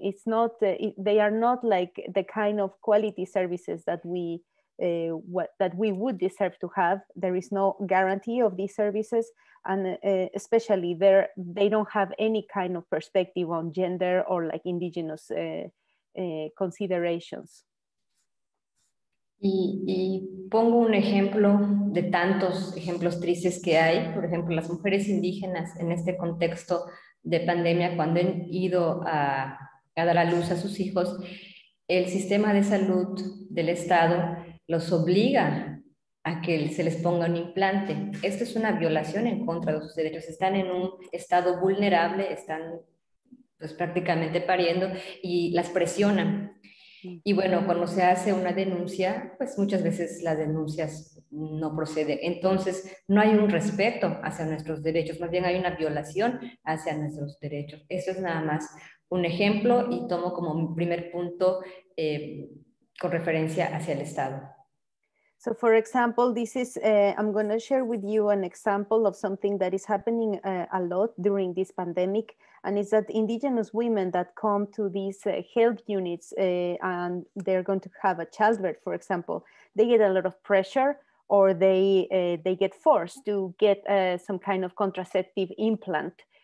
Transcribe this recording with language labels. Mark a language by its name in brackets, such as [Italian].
[English] It's not they are not like the kind of quality services that we would deserve to have. There is no guarantee of these services, and especially they don't have any kind of perspective on gender or like indigenous considerations. [Spanish] Y pongo un ejemplo de tantos ejemplos tristes que hay. Por ejemplo, las mujeres indígenas en este contexto de pandemia, cuando han ido a dar a luz a sus hijos, el sistema de salud del Estado los obliga a que se les ponga un implante. Esto es una violación en contra de sus derechos. Están en un estado vulnerable, están pues, prácticamente pariendo y las presionan. Y bueno, cuando se hace una denuncia, pues muchas veces las denuncias no proceden. Entonces, no hay un respeto hacia nuestros derechos, más bien hay una violación hacia nuestros derechos. Esto es nada más un ejemplo y tomo como mi primer punto con referencia hacia el Estado. [English] So for example, this is, I'm going to share with you an example of something that is happening a lot during this pandemic, and it's that indigenous women that come to these health units and they're going to have a childbirth, for example, they get a lot of pressure or they get forced to get some kind of contraceptive implant.